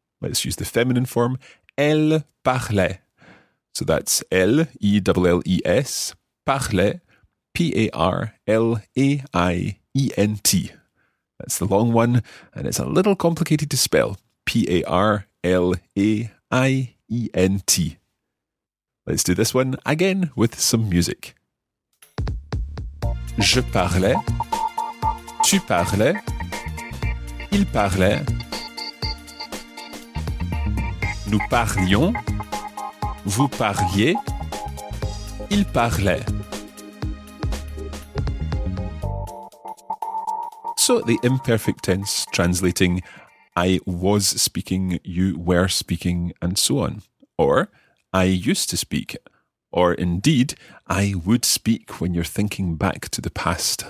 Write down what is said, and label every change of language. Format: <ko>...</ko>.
<en>Let's use the feminine form,</en> <fr>elle parlait.</fr> <en>So that's L-E-L-L-E-S, parlait, P-A-R-L-A-I-E-N-T. That's the long one, and it's a little complicated to spell, P-A-R-L-A-I-E-N-T. Let's do this one again with some music.</en> <fr>Je parlais, tu parlais, il parlait, nous parlions, vous parliez, il parlait.</fr> <en>So the imperfect tense translating I was speaking, you were speaking, and so on. Or I used to speak. Or indeed, I would speak when you're thinking back to the past.</en>